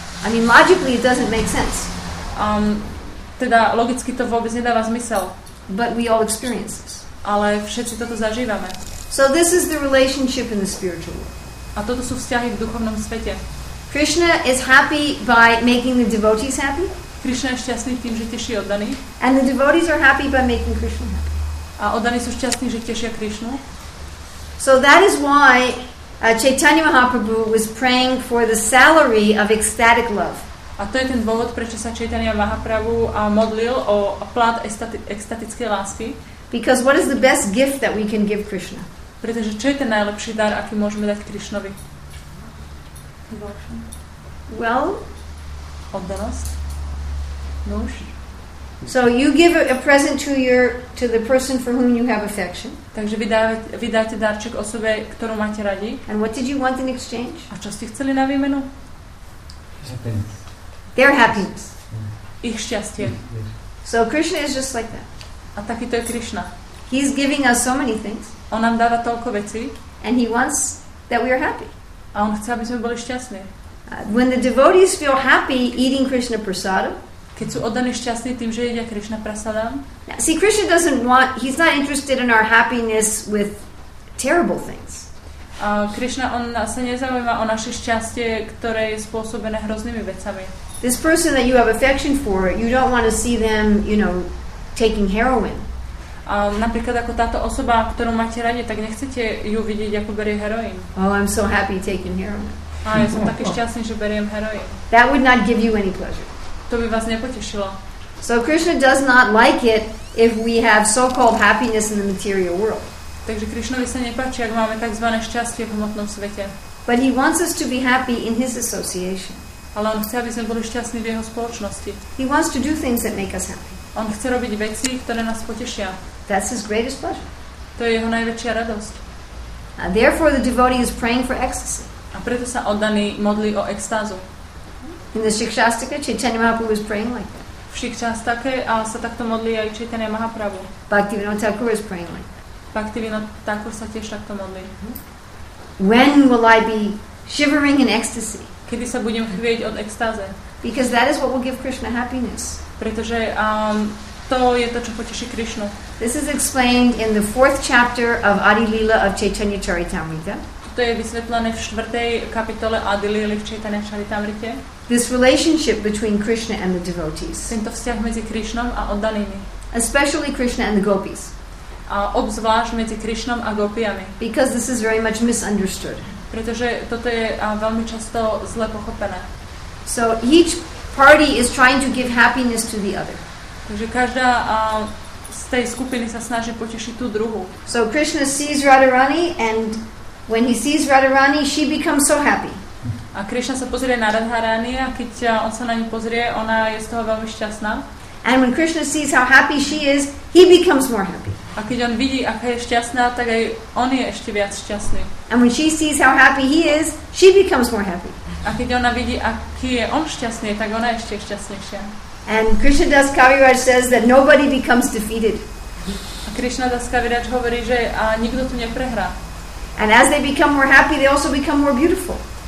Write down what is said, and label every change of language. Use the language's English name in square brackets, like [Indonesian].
[English] I mean, logically it doesn't make sense. [Czech] teda logicky to vůbec nedává smysl. [English] But we all experience this. [Slovak] Ale všetci toto zažíváme. [English] So this is the relationship in the spiritual world. [Slovak] A toto sú vzťahy v duchovnom svete. [English] Krishna is happy by making the devotees happy. [Slovak] Krishna je šťastný tým, že teší oddaných. [English] And the devotees are happy by making Krishna happy. [Slovak] A oddaní sú šťastní, že tešia Krishnu. [English] So that is why Chaitanya Mahaprabhu was praying for the salary of ecstatic love. [Slovak] A to je ten dôvod, prečo sa Chaitanya Mahaprabhu modlil o plat ekstatické lásky. [English] Because what is the best gift that we can give Krishna? [Slovak] Pretože čo je ten najlepší dar, aký môžeme dať Krišnovi? [English] Well, [Slovak] oddanosť. [English] So you give a present to your to the person for whom you have affection. [Slovak] Takže vydáte darček osobe, ktorú máte radi. [English] And what did you want in exchange? [Slovak] A čo ste chceli na výmenu? [English] Happiness. Their happiness. [Slovak] Ich šťastie. [English] So Krishna is just like that. [Slovak] A taký to je Krishna. [English] He's giving us so many things. [Slovak] On nám dáva toľko vecí. [English] And he wants that we are happy. [Slovak] A on chce, aby sme boli šťastní. [English] When the devotees feel happy eating Krishna prasadam, [Slovak] keď sú oddaní šťastní tým, že jedia Krishna prasadam. [English] See, Krishna doesn't want, he's not interested in our happiness with terrible things. [Slovak] Krishna, on sa nezaujíma o naše šťastie, ktoré je spôsobené hroznými vecami. [English] This person that you have affection for, you don't want to see them, you know, taking heroin. [Slovak] A napríklad ako táto osoba, ktorú máte radi, tak nechcete ju vidieť, ako berie heroin. [English] Oh, I'm so happy taking heroin. [Slovak] A ja som taký šťastný, že beriem heroin. [English] That would not give you any pleasure. [Slovak] To by vás nepotešilo. [English] So Krishna does not like it if we have so-called happiness in the material world. [Slovak] Takže Krishnovi sa nepáči, ak máme takzvané šťastie v hmotnom svete. [English] But he wants us to be happy in his association. [Slovak] Ale on chce, aby sme boli šťastní v jeho spoločnosti. [English] He wants to do things that make us happy. [Slovak] On chce robiť veci, ktoré nás potešia. [English] That's his greatest pleasure. [Slovak] To je jeho najväčšia radosť. [English] And therefore the devotee is praying for ecstasy. [Slovak] A preto sa oddaný modlí o extázu. [English] In the Shikshastaka, Chaitanya Mahaprabhu is praying like that. [Slovak] V Shikshastake sa takto modlí aj Chaitanya Mahaprabhu. [English] Bhaktivinoda Thakur is praying like that. [Slovak] Bhaktivinoda Thakur sa tiež takto modlí. [English] When will I be shivering in ecstasy? [Slovak] Kedy sa budem chvieť od extáze? [English] Because that is what will give Krishna happiness. [Slovak] Pretože to je to, čo poteší Krishnu. [English] This is explained in the fourth chapter of Adi Lila of Chaitanya Charitamrita. [Slovak] To je vysvetlené v 4. kapitole Adi Lili v Chaitanya Charitamrite. [English] This relationship between Krishna and the devotees. [Slovak] Tento vzťah medzi Krishnom a oddanými. [English] Especially Krishna and the gopis. [Slovak] A obzvlášť medzi Krishnom a gopiami. [English] Because this is very much misunderstood. [Slovak] Pretože toto je veľmi často zle pochopené. [English] So each party is trying to give happiness to the other. [Slovak] Takže každá z tej skupiny sa snaží potešiť tú druhú. [English] So Krishna sees Radharani and when he sees Radharani, she becomes so happy. [Slovak] A Krishna sa pozrie na Radharani a keď on sa na ňu pozrie, ona je z toho veľmi šťastná. [English] And when Krishna sees how happy she is, he becomes more happy. [Slovak] A keď on vidí, aká je šťastná, tak aj on je ešte viac šťastný. [English] And when she sees how happy he is, she becomes more happy. [Slovak] A keď ona vidí, aký je on šťastný, tak ona ešte šťastnejšia. [English] And Krishna Das Kaviraj says that nobody becomes defeated. [Slovak] A Krishna Das Kaviraj hovorí, že nikto tu neprehrá. [English] And as they become more happy, they also become more beautiful.